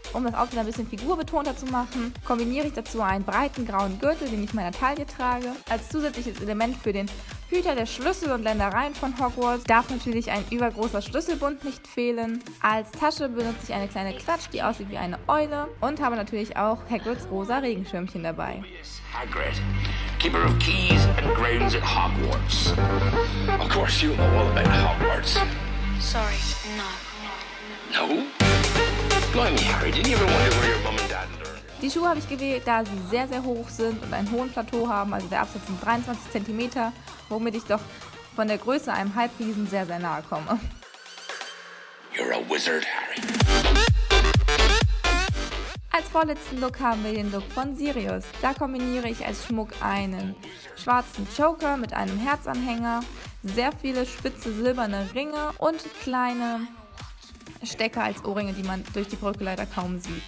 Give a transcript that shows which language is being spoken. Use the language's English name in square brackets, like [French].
[German] Um das Outfit ein bisschen figurbetonter zu machen, kombiniere ich dazu einen breiten grauen Gürtel, den ich meiner Taille trage. Als zusätzliches Element für den Hüter der Schlüssel und Ländereien von Hogwarts darf natürlich ein übergroßer Schlüsselbund nicht fehlen. Als Tasche benutze ich eine kleine Klatsch, die aussieht wie eine Eule, und habe natürlich auch Hagrids rosa Regenschirmchen dabei. [English] Hagrid, Keeper of Keys and Grounds at Hogwarts. Of course you know all about Hogwarts. Sorry, no. No? Blimey, Harry, didn't you ever wonder where your mom and dad learned? [German] Die Schuhe habe ich gewählt, da sie sehr, sehr hoch sind und einen hohen Plateau haben, also der Absatz sind 23 cm, womit ich doch von der Größe einem Halbriesen sehr, sehr nahe komme. [English] You're a wizard, Harry. [German] Als vorletzten Look haben wir den Look von Sirius. Da kombiniere ich als Schmuck einen schwarzen Choker mit einem Herzanhänger, sehr viele spitze silberne Ringe und kleine Stecker als Ohrringe, die man durch die Brücke leider kaum sieht.